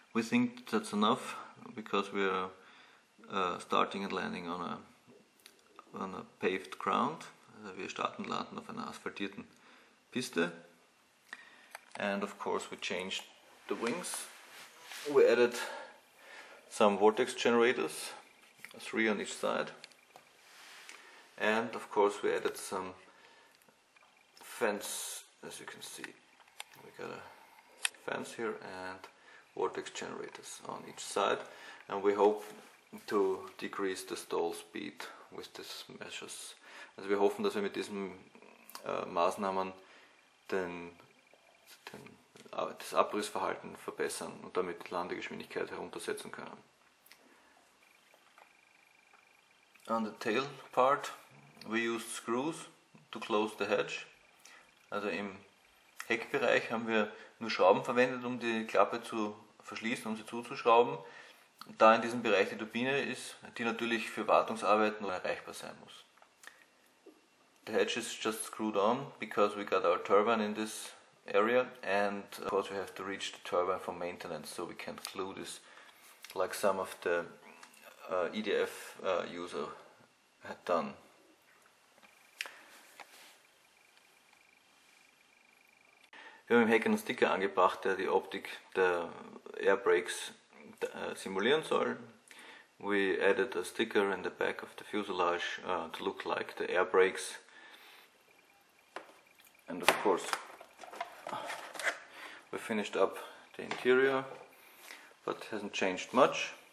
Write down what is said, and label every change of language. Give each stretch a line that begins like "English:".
English: We think that's enough, because we are starting and landing on a paved ground.
German: Also wir starten und landen auf einer asphaltierten Piste.
English: And of course we changed the wings. We added some vortex generators, 3 on each side. And of course we added some fence, as you can see. We got a fence here and vortex generators on each side. And we hope to decrease the stall speed with these measures.
German: Also wir hoffen, dass wir mit diesen Maßnahmen das Abrissverhalten verbessern und damit die Landegeschwindigkeit heruntersetzen können.
English: On the tail part we used screws to close the hatch.
German: Also im Heckbereich haben wir nur Schrauben verwendet, um die Klappe zu verschließen, um sie zuzuschrauben. Da in diesem Bereich die Turbine ist, die natürlich für Wartungsarbeiten erreichbar sein muss.
English: The hatch is just screwed on, because we got our turbine in this area and of course we have to reach the turbine for maintenance, so we can glue this like some of the EDF user had done.
German: Wir haben im Heck einen Sticker angebracht, der die Optik der Airbrakes simulieren soll.
English: We added a sticker in the back of the fuselage to look like the air brakes. And of course we finished up the interior, but hasn't changed much.